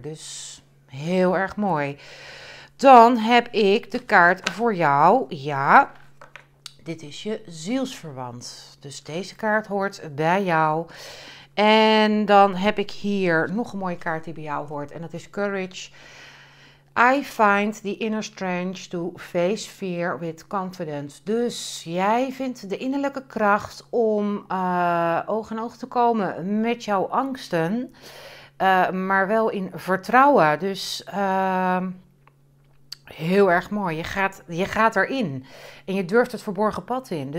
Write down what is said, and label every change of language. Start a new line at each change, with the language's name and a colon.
Dutch: Dus heel erg mooi. Dan heb ik de kaart voor jou. Ja, dit is je zielsverwant. Dus deze kaart hoort bij jou. En dan heb ik hier nog een mooie kaart die bij jou hoort. En dat is courage.
English: I find the inner strength to face fear with confidence.
Dutch: Dus jij vindt de innerlijke kracht om oog in oog te komen met jouw angsten. Maar wel in vertrouwen. Dus heel erg mooi. Je gaat erin. En je durft het verborgen pad in.